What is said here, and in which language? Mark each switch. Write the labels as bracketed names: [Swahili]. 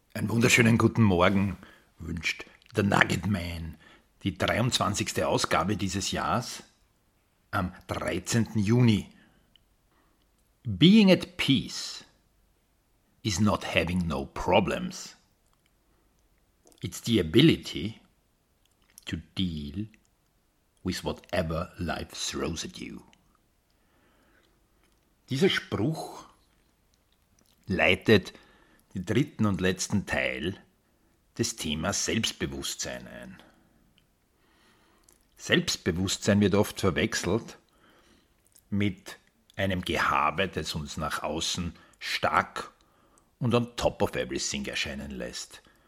[German] Einen wunderschönen guten Morgen wünscht der Nugget Man. Die 23. Ausgabe dieses Jahres am 13. Juni. [English] Being at peace is not having no problems. It's the ability to deal with whatever life throws at you. [German] Dieser Spruch leitet den dritten und letzten Teil des Themas Selbstbewusstsein ein. Selbstbewusstsein wird oft verwechselt mit einem Gehabe, das uns nach außen stark und [English] on top of everything [German] erscheinen lässt.